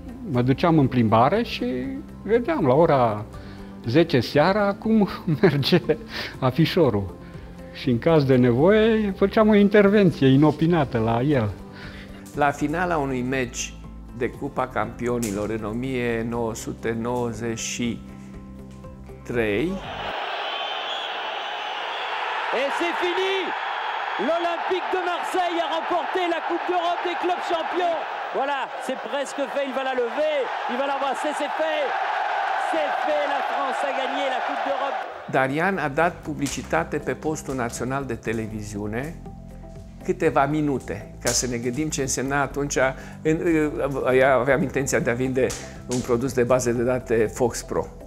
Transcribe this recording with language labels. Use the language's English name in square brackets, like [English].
[Romanian] Mă duceam în plimbare și vedeam la ora 10 seara cum merge afișorul. Și în caz de nevoie făceam o intervenție inopinată la el. La finala unui meci de Cupa Campionilor în 1993. [French] Et c'est fini! L'Olympique de Marseille a remporté la Coupe d'Europe des clubs champions. Voilà, c'est presque fait, il va la lever, il va l'embrasser, c'est fait. C'est fait, la France a gagné la Coupe d'Europe. [Romanian] Darian a dat publicitate pe postul național de televiziune câteva minute, ca să ne gândim ce însemna atunci. Aveam intenția de a vinde un produs de bază de date Fox Pro.